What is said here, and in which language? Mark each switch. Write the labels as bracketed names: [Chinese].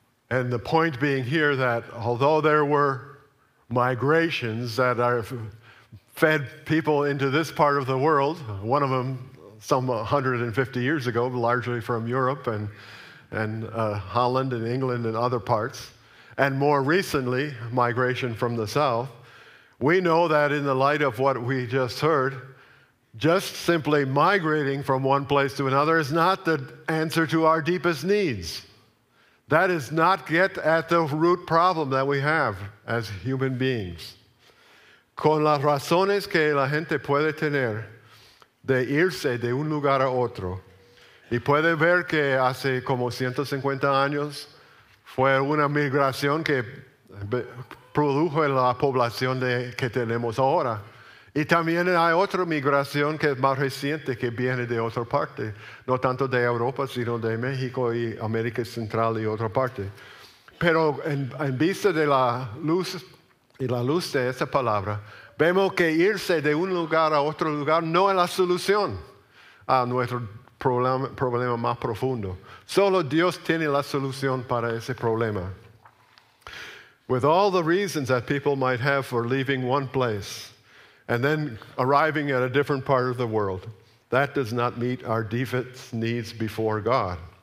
[English] And the point being here that although there were migrations that are fed people into this part of the world, one of them some 150 years ago, largely from Europe and Holland and England and other parts, and more recently, migration from the south, we know that in the light of what we just heard, just simply migrating from one place to another is not the answer to our deepest needs. That is not get at the root problem that we have as human beings. [Spanish] Con las razones que la gente puede tener de irse de un lugar a otro. Y puede ver que hace como 150 años fue una migración que produjo la población que tenemos ahora. Y también hay otra migración que es más reciente, que viene de otra parte, no tanto de Europa, sino de México y América Central y otra parte. Pero en vista de la luz y la luz de esa palabra, vemos que irse de un lugar a otro lugar no es la solución a nuestro problema más profundo. Solo Dios tiene la solución para ese problema. [English] With all the reasons that people might have for leaving one place and then arriving at a different part of the world, that does not meet our deepest needs before God.